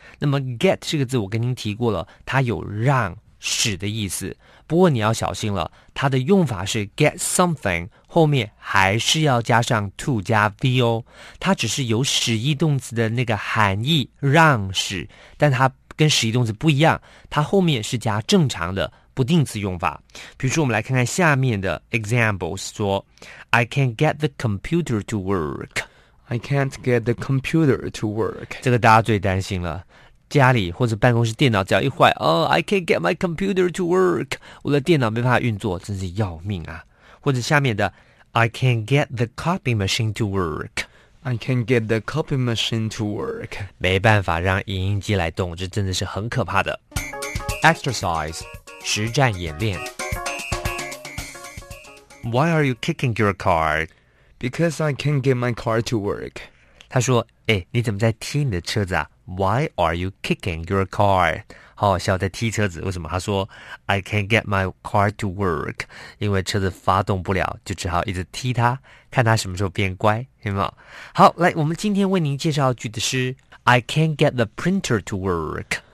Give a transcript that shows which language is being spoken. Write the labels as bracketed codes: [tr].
[zh] 那么 get 这个字我跟您提过了它有让使的意思不过你要小心了它的用法是 get something 后面还是要加上 to 加 v 哦它只是有使役动词的那个含义让使但它跟使役动词不一样它后面是加正常的不定词用法比如说我们来看看下面的 examples 说 [en] I can't get the computer to work I can't get the computer to work. [zh] 这个大家最担心了。家里或者办公室电脑只要一坏 [en] I can't get my computer to work. [zh] 我的电脑没办法运作真是要命啊。或者下面的 [en] I can't get the copy machine to work. I can't get the copy machine to work. [zh] 没办法让影音机来动这真的是很可怕的。 Exercise, 实战演练。 [en] Why are you kicking your car? Because I can't get my car to work. [zh] 他说，欸，你怎么在踢你的车子啊？ [en] Why are you kicking your car? [zh] 好笑，在踢车子，为什么？他说， [en] I can't get my car to work. [zh] 因为车子发动不了，就只好一直踢它，看它什么时候变乖，有没有？好，来，我们今天为您介绍的句子是， [en] I can't get the printer to work.